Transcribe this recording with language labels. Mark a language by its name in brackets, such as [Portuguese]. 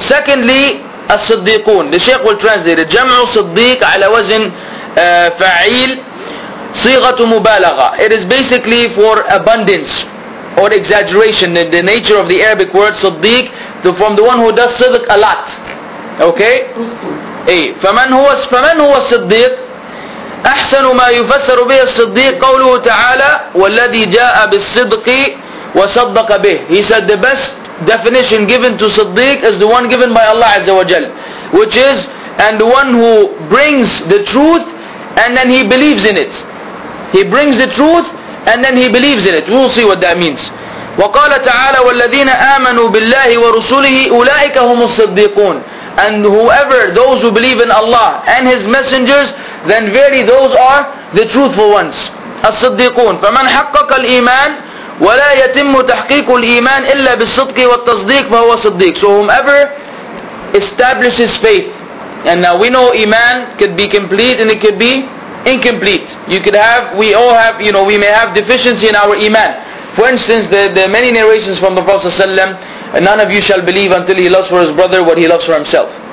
[English] Secondly, الصَّدِّقُونَ. The Shaykh will translate it. [Arabic] جَمْعُ صَدِّيق عَلَى وَزِن فَعِيل. صيغة مبالغة. [English] It is basically for abundance or exaggeration. The nature of the Arabic word صديق, from the one who does صدق a lot. Okay. [Arabic] أي فمن هو الصديق؟ أحسن ما يفسر به الصديق قوله تعالى والذي جاء بالصدق وصدق به. [English] He said the best definition given to صديق is the one given by Allah عز وجل, which is and the one who brings the truth and then he believes in it. He brings the truth and then he believes in it. We'll see what that means. [Arabic] وقال تعالى والذين آمنوا بالله ورسوله أولئك هم الصديقون. [English] And whoever, those who believe in Allah and His messengers, then verily those are the truthful ones. [Arabic] الصديقون. فمن حقق الإيمان ولا يتم تحقيق الإيمان إلا بالصدق والتصديق فهو صديق. [English] So whomever establishes faith. And now we know Iman could be complete and it could be incomplete. You could have, we all have, you know, we may have deficiency in our iman. For instance, the many narrations from the Prophet ﷺ, none of you shall believe until he loves for his brother what he loves for himself.